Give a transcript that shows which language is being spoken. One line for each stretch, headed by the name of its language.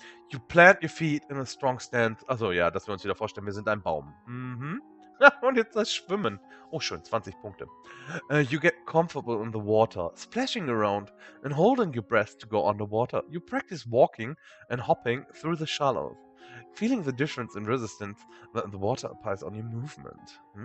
English: You plant your feet in a strong stand.
German: Achso, ja, dass wir uns wieder vorstellen, wir sind ein Baum. Und jetzt das Schwimmen. Oh, schön, 20 Punkte.
English: You get comfortable in the water, splashing around and holding your breath to go underwater. You practice walking and hopping through the shallows, feeling the difference in resistance that the water applies on your movement.